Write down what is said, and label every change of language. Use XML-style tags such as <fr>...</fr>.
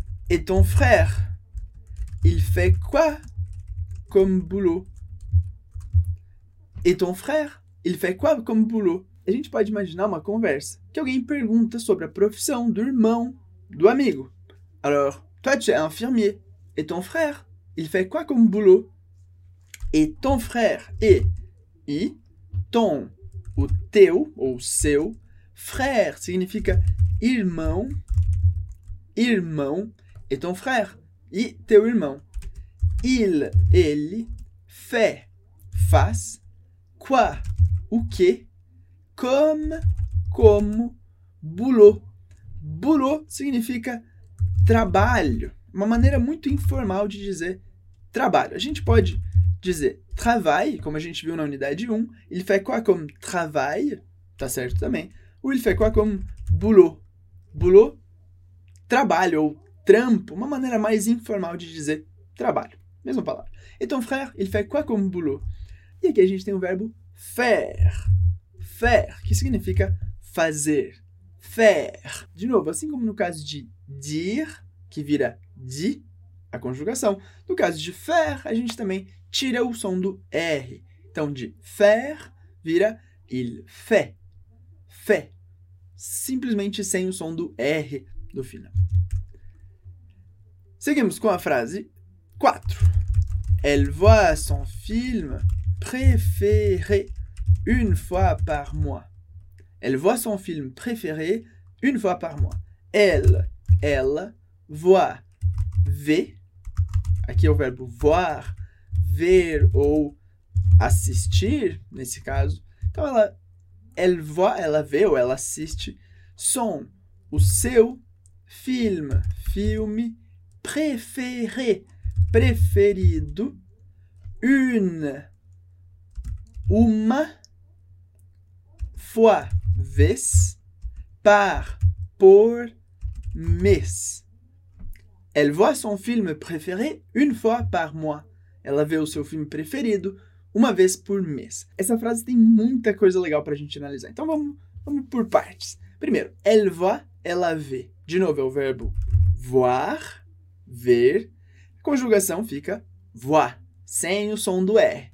<fr>Et ton frère, il fait quoi comme boulot? Et ton frère, il fait quoi comme boulot?</fr> <pt>A gente pode imaginar uma conversa que alguém pergunta sobre a profissão do irmão do amigo.</pt> <fr>Alors, toi tu es infirmier. Et ton frère, il fait quoi comme boulot? Et ton frère,</fr> <pt>e ton, o teu ou seu, frère significa irmão, irmão.</pt> <fr>Et ton frère,</fr> <pt>e teu irmão. Ele fait, faz, quoi, o quê? Como boulot. Boulot significa trabalho. Uma maneira muito informal de dizer trabalho. A gente pode dizer travail, como a gente viu na unidade 1.</pt> <fr>Il fait quoi comme travail?</fr> <pt>Tá certo também.</pt> <fr>Ou il fait quoi comme boulot?</fr> <pt>Boulot, trabalho ou trampo. Uma maneira mais informal de dizer trabalho. Mesma palavra.</pt> <fr>Et ton frère, il fait quoi comme boulot?</fr> <pt>E aqui a gente tem o verbo faire. Faire, que significa fazer. Faire. De novo, assim como no caso de dire, que vira di, a conjugação. No caso de faire, a gente também tira o som do R. Então, de faire vira il fait. Fait. Simplesmente sem o som do R do final. Seguimos com a frase 4.</pt> <fr>Elle voit son film préféré. Une fois par mois. Elle voit son film préféré une fois par mois. Elle voit, vê.</fr> <pt>Aqui é o verbo voir, ver ou assistir, nesse caso. Então,</pt> <fr>elle voit,</fr> <pt>ela vê ou ela assiste son, o seu filme préféré, preferido, uma fois, vez, par, por, mês.</pt> <fr>Elle voit son film préféré une fois par mois.</fr> <pt>Ela vê o seu filme preferido uma vez por mês. Essa frase tem muita coisa legal para a gente analisar. Então vamos por partes. Primeiro,</pt> <fr>elle voit,</fr> <pt>ela vê. De novo, é o verbo voir, ver. A conjugação fica voir. Sem o som do R.</pt>